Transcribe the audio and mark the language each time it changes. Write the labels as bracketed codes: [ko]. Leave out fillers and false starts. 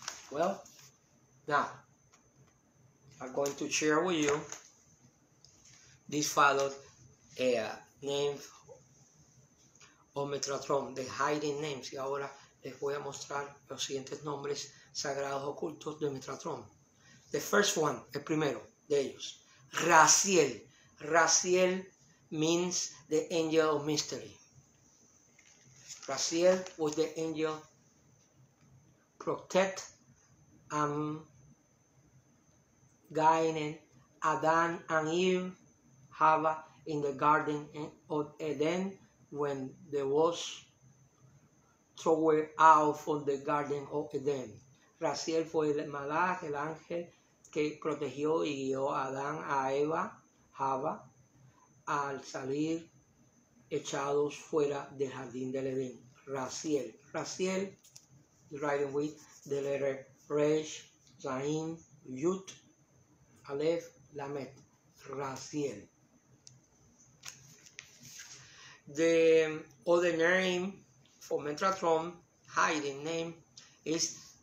[en] Well, now I'm going to share with you this followed a name of Metatron, the hiding names. [es] Y ahora les voy a mostrar los siguientes nombres sagrados ocultos de Metatron. [en] The first one, [es] el primero de ellos, Raziel. [en] Raziel means the angel of mystery. Raziel was the angel protect and guiding Adam and Eve, Hava, in the Garden of Eden when they was thrown out from the Garden of Eden. [es] Raziel fue el malaj, el ángel que protegió y guió a Adán, a Eva, Hava, al salir echados fuera del jardín del Edén. [en] Raziel. Raziel, writing with the letter Resh, Zain, Yud, Aleph, Lamed. Raziel. The other name for Metatron, hiding name, is